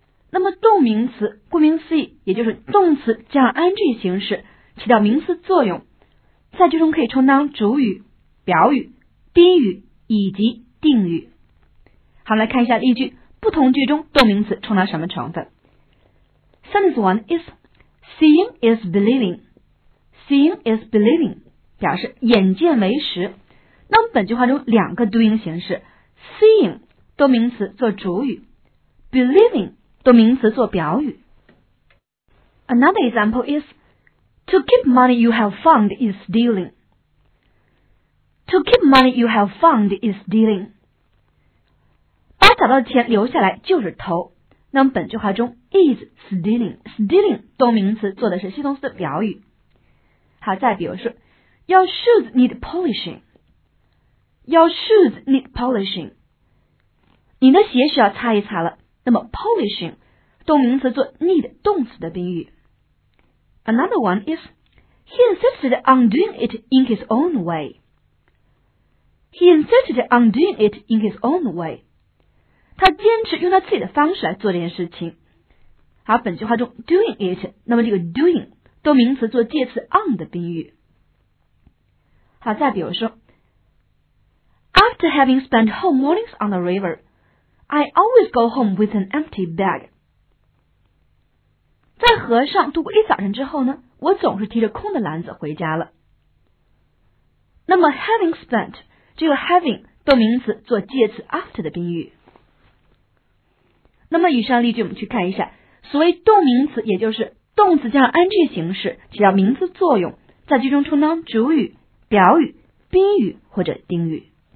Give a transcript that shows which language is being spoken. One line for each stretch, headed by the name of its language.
Chinese: 那么动名词顾名思义，也就是动词加上 ing 形式起到名词作用，在句中可以充当主语、表语、宾语以及定语。好，来看一下例句，不同句中动名词充当什么成分。
English: Sentence 1 is Seeing is believing. Seeing is believing
Chinese: 表示眼见为实。那么本句话中两个读音形式， Seeing 动名词做主语， Believing 动名词做表语。
English: Another example is To keep money you have found is stealing. To keep money you have found is stealing.
Chinese: 找到的钱留下来就是偷。那么本句话中 is stealing， stealing 动名词做的是系统词的表语。好，再比如说
English: Your shoes need polishing， Your shoes need polishing，
Chinese: 你的鞋需要擦一擦了。那么 polishing 动名词做 need 动词的宾语。
English: Another one is He insisted on doing it in his own way. He insisted on doing it in his own way.
Chinese: 他坚持用他自己的方式来做这件事情。好，本句话中
English: doing it，
Chinese: 那么这个 doing 动名词做介词 on 的宾语。好，再比如说
English: After having spent whole mornings on the river I always go home with an empty bag。
Chinese: 在河上度过一早晨之后呢，我总是提着空的篮子回家了。那么 having spent 这个 having 动名词做介词 after 的宾语。那么以上例句我们去看一下，所谓动名词也就是动词加上 ing 形式起到名词作用，在句中充当主语、表语、宾语或者定语。